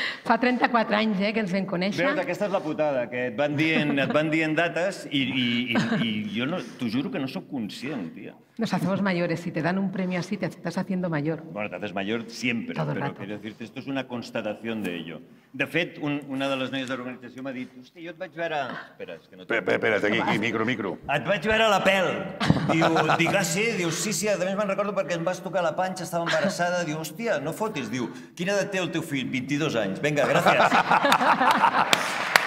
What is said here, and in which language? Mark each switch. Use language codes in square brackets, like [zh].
[ca] Fa 34 anys que ens vam conèixer. Veus, aquesta és la putada, que et van dient dates i jo no, t'ho juro que no soc conscient, tia. [es] Nos hacemos mayores. Si te dan un premio así, te estás haciendo mayor. Bueno, te haces mayor siempre. Todo el rato. Pero quiero decirte, esto es una constatación de ello. [ca] De fet, una de les noies de l'organització m'ha dit, hosti, jo et vaig veure... Espera, és que no... Espera, aquí, micro. Et vaig veure a la pèl. Diu, ah, sí? Diu, sí, a més me'n recordo perquè em vas tocar la panxa, estava embarassada. Diu, hòstia, no fotis. Diu, quina edat té el teu fill? 22 anys. Vinga, gràcies.